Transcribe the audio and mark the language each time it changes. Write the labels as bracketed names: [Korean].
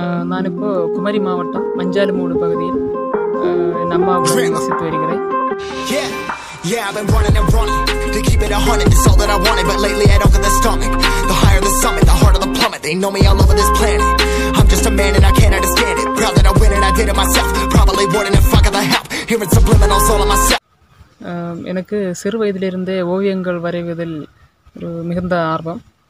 [Tamil] நான் இப்போ குமரி மாவட்டம் மஞ்சாலுமூடு பகுதியில் என் அம்மாவுடன் வசித்து வருகிறேன். [English] Yeah, I've been running and running to keep it 100. It's all that I wanted, but lately I don't get the stomach. The higher the summit, the harder the plummet. They know me all over this planet. I'm just a man and I can't understand it. Proud that I win and I did it myself. Probably wouldn't if I got the help. Hearing subliminals all of myself. [Tamil] எனக்கு சிறு வயதிலிருந்தே ஓவியங்கள் வரைவதில் ஒரு மிகுந்த ஆர்வம்.